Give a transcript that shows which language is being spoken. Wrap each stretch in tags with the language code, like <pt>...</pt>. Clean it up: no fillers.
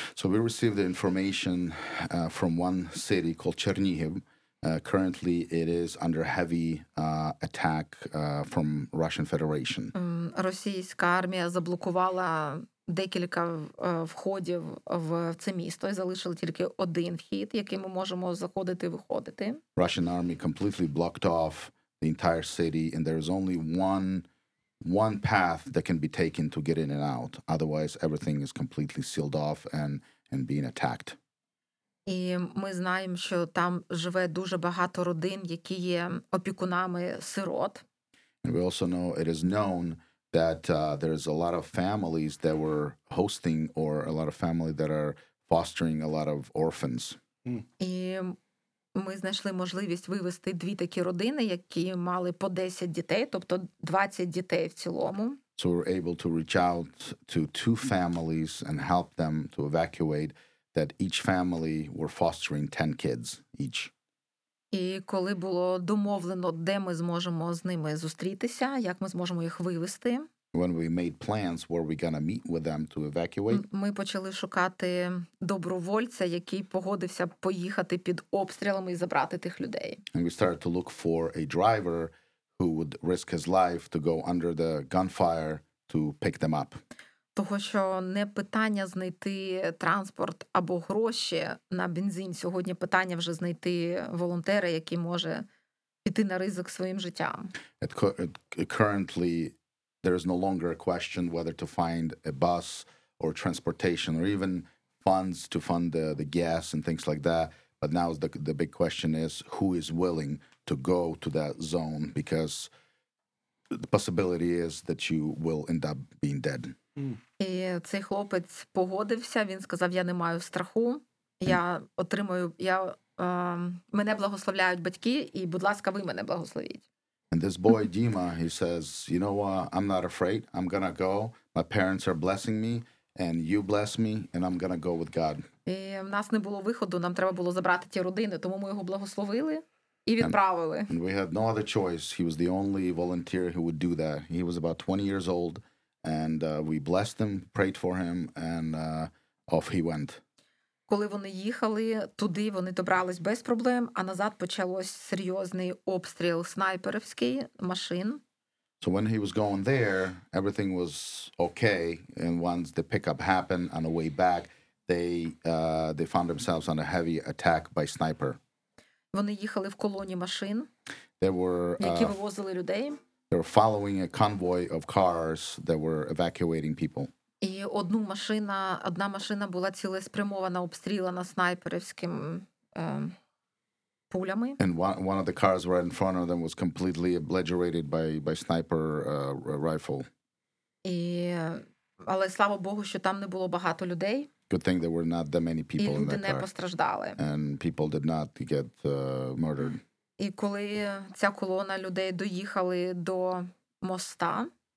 <en>So we received the information from one city called Чернігів. Currently it is under heavy attack from Russian Federation.</en> <uk>Російська армія заблокувала декілька входів в це місто і залишили тільки один вхід, який ми можемо заходити і виходити.</uk> <en>Russian army completely blocked off the entire city, and there is only one path that can be taken to get in and out. Otherwise everything is completely sealed off and being attacked.</en> <uk>І ми знаємо, що там живе дуже багато родин, які є опікунами сирот.</uk> <en>And we also know it is known that there is a lot of families that were hosting or a lot of family that are fostering a lot of orphans.</en> <uk>І ми знайшли можливість вивести дві такі родини, які мали по 10 дітей, тобто 20 дітей в цілому.</uk> <en>So we were able to reach out to two families and help them to evacuate, that each family were fostering 10 kids each.</en> <uk>І коли було домовлено, де ми зможемо з ними зустрітися, як ми зможемо їх вивести,</uk> <en>when we made plans where we're going to meet with them to evacuate,</en> <uk>ми почали шукати добровольця, який погодився поїхати під обстрілами і забрати тих людей.</uk> <en>And we started to look for a driver who would risk his life to go under the gunfire to pick them up.</en> <uk>Того, що не питання знайти транспорт або гроші на бензин. Сьогодні питання вже знайти волонтера, який може піти на ризик своїм життям.</uk> <en>Currently, there is no longer a question whether to find a bus or transportation or even funds to fund the gas and things like that. But now the big question is, who is willing to go to that zone? Because the possibility is that you will end up being dead.</en> <uk>І цей хлопець погодився, він сказав, я не маю страху, я отримую, я мене благословляють батьки, і будь ласка, ви мене благословіть.</uk> <en>And this boy, Dima, he says, you know what, I'm not afraid, I'm gonna go, my parents are blessing me, and you bless me, and I'm gonna go with God.</en> <uk>І в нас не було виходу, нам треба було забрати ті родини, тому ми його благословили і відправили.</uk> <en>And we had no other choice, he was the only volunteer who would do that. He was about 20 years old, and we blessed him, prayed for him, and off he went.</en> <uk>Коли вони їхали туди, вони добрались без проблем, а назад почалось серйозний обстріл снайперівський машин.</uk> <en>So when he was going there, everything was okay, and once the pickup happened on the way back, they found themselves under heavy attack by sniper.</en> <uk>Вони їхали в колоні машин.</uk> <en>They were</en> <uk>які вивозили людей.</uk> <en>They were following a convoy of cars that were evacuating people.</en> <uk>І одна машина була цілеспрямована, обстріляна снайперівським пулями.</uk> <en>And one of the cars right in front of them was completely obliterated by sniper rifle.</en> <uk>І але слава Богу, що там не було багато людей.</uk> <en>Good thing there were not that many people in that car.</en> <uk>І люди не постраждали.</uk> <en>And people did not get murdered.</en> <uk>І коли ця колона людей доїхали до моста,</uk>